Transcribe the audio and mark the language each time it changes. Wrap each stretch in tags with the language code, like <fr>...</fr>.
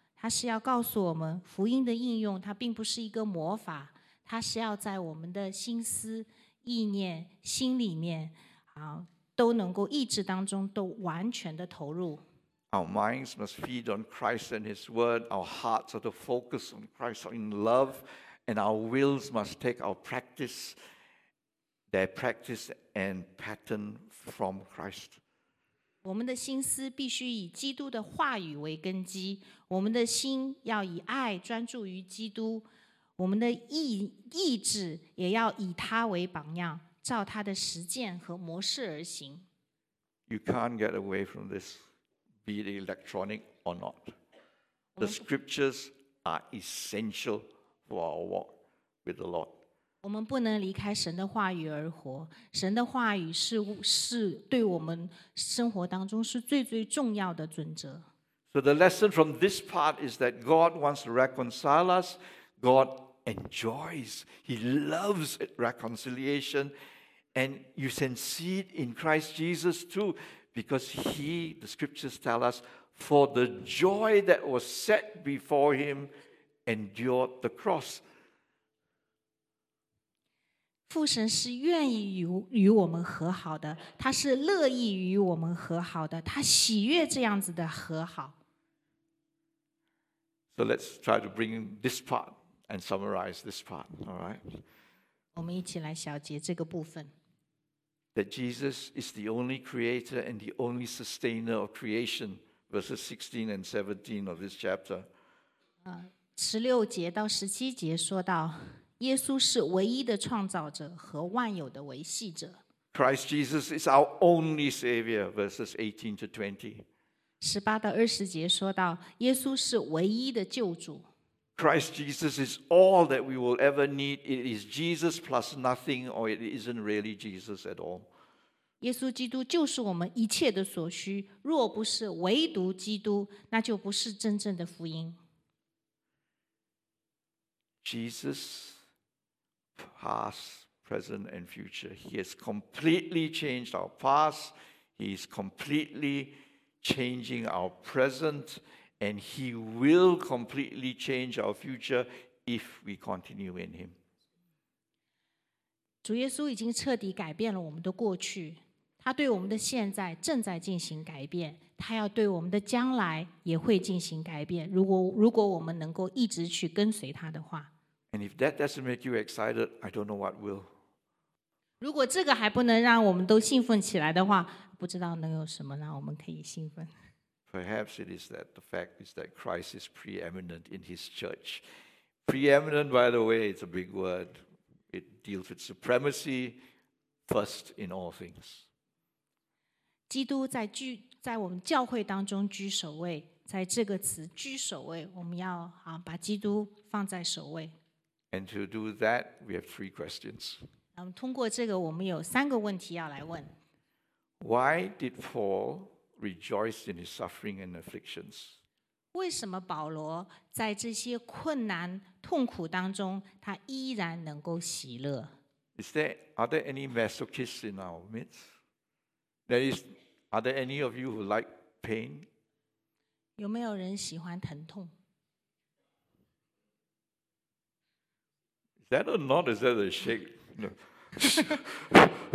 <zh>他是要告诉我们，福音的应用它并不是一个魔法，它是要在我们的心思、意念、心里面，都能够意志当中都完全的投入。</zh> <en>Our minds must feed on Christ and His Word. Our hearts are to focus on Christ in love, and our wills must take our practice, their practice and pattern from Christ.</en> <zh>我们的心思必须以基督的话语为根基。我们的心要以爱专注于基督，我们的意志也要以他为榜样，照他的实践和模式而行。</zh> <en>You can't get away from this, be it electronic or not. The scriptures are essential for our walk with the Lord.</en> <zh>我们不能离开神的话语而活，神的话语 是对我们生活当中是最最重要的准则。</zh> <en>So the lesson from this part is that God wants to reconcile us. God enjoys. He loves reconciliation. And you can see it in Christ Jesus too. Because he, the scriptures tell us, for the joy that was set before him endured the cross.</en> <zh>父神是愿意 与我们和好的，他是乐意与我们和好的，他喜悦这样子的和好。</zh> <en>So let's try to bring this part and summarize this part, all right?</en> <zh>我们一起来小结这个部分。</zh> <en>That Jesus is the only creator and the only sustainer of creation, verses 16 and 17 of this chapter.</en> <zh>16节到17节说到，耶稣是唯一的创造者和万有的维系者。</zh> <en>Christ Jesus is our only savior, verses 18 to 20.</en> <zh>18到20节说到，耶稣是唯一的救主。</zh> <en>Christ Jesus is all that we will ever need. It is Jesus plus nothing, or it isn't really Jesus at all.</en> <zh>耶稣基督就是我们一切的所需，若不是唯独基督，那就不是真正的福音。</zh> <en>Jesus, past, present, and future. He has completely changed our past. He is completely changing our present, and he will completely change our future if we continue in him.</en> <zh>主耶稣已经彻底改变了我们的过去，他对我们的现在正在进行改变，他要对我们的将来也会进行改变，如果我们能够一直去跟随他的话。</zh> <en>And if that doesn't make you excited, I don't know what will.</en> <zh>如果这个还不能让我们都兴奋起来的话，不知道能有什么让我们可以兴奋。</zh> <en>Perhaps it is that the fact is that Christ is preeminent in his church. Preeminent, by the way, it's a big word. It deals with supremacy, first in all things.</en> <zh>基督在我们教会当中居首位，在这个词居首位，我们要把基督放在首位。</zh> <en>And to do that, we have three questions.</en> <zh>通过这个，我们有三个问题要来问。</zh> <en>Why did Paul rejoice in his suffering and afflictions?</en> <zh>为什么保罗在这些困难痛苦当中，他依然能够喜乐？</zh> <en>Are there any masochists in our midst? That is, are there any of you who like pain?</en> <zh>有没有人喜欢疼痛？</zh> <en>That or not? Is that a shake? No.</en>